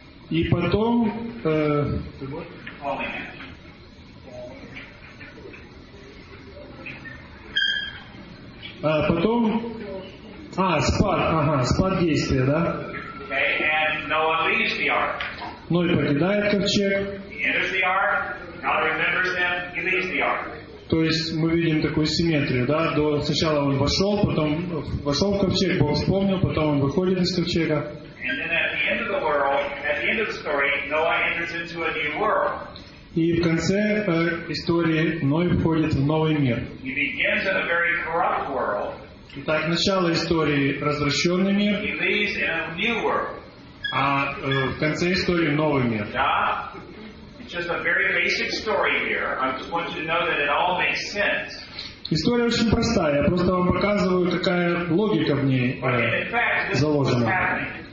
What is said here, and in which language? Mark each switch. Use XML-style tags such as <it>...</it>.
<ru>И потом спад действия, да?</ru> <en>Okay, and Noah leaves the ark.</en> <ru>Ной покидает ковчег.</ru> <en>He enters the ark. God remembers him. He leaves the ark.</en> <ru>То есть мы видим такую симметрию, да? До сначала он вошел, потом вошел в ковчег, Бог вспомнил, потом он выходит из ковчега.</ru> <en>And then at the end of the world, at the end of the story, Noah enters into a new world.</en> <ru>И в конце истории Ной входит в новый мир.</ru> <en>He begins in a very corrupt world.</en> <ru>Итак, начало истории развращенный мир.</ru> <en>He leaves in a new world.</en> <ru>А в конце истории новый мир. Да.</ru> <en>Just a very basic story here. I just want you to know that it all makes sense.</en> <ru>История очень простая. Я просто вам показываю, какая логика в ней заложена.</ru>